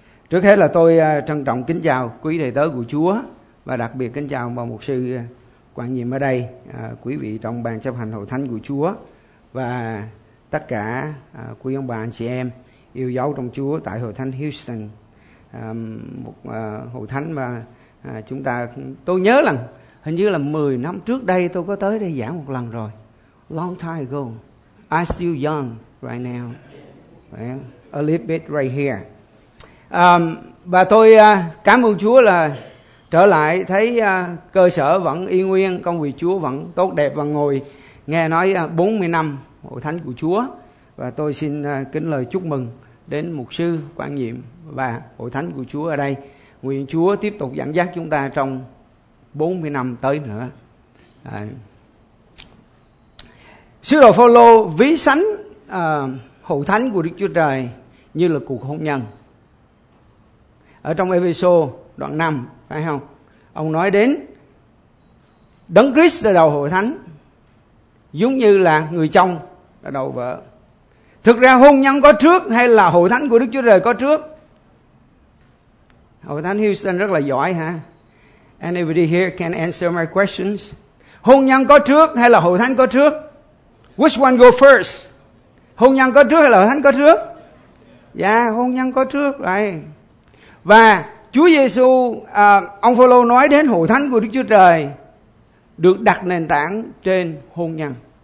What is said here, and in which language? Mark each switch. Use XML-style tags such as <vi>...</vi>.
<vi>Trước hết là tôi trân trọng kính chào quý đầy tớ của Chúa và đặc biệt kính chào bà mục sư quản nhiệm ở đây, quý vị trong ban chấp hành hội thánh của Chúa và tất cả quý ông bà anh chị em yêu dấu trong Chúa tại hội thánh Houston, một hội thánh mà chúng ta, tôi nhớ là hình như là 10 năm trước đây tôi có tới đây giảng một lần rồi.</vi> <en>Long time ago, I'm still young right now, a little bit right here.</en> <vi>Và tôi cảm ơn Chúa là trở lại thấy cơ sở vẫn y nguyên, công việc Chúa vẫn tốt đẹp và ngồi nghe nói 40 năm hội thánh của Chúa. Và tôi xin kính lời chúc mừng đến mục sư quản nhiệm và hội thánh của Chúa ở đây. Nguyện Chúa tiếp tục dẫn dắt chúng ta trong 40 năm tới nữa. Sứ đồ Phaolô ví sánh hội thánh của Đức Chúa Trời như là cuộc hôn nhân. Ở trong Ê-phê-sô đoạn 5, phải không? Ông nói đến Đấng Christ là đầu hội thánh, giống như là người chồng là đầu vợ. Thực ra hôn nhân có trước hay là hội thánh của Đức Chúa Trời có trước? Hội thánh Houston rất là giỏi ha.</vi> <en>Anybody here can answer my questions?</en> <vi>Hôn nhân có trước hay là hội thánh có trước?</vi> <en>Which one go first?</en> <vi>Hôn nhân có trước hay là hội thánh có trước? Dạ, hôn nhân có trước, right. Và Chúa Giêsu, ông Phaolô nói đến hội thánh của Đức Chúa Trời được đặt nền tảng trên hôn nhân.</vi>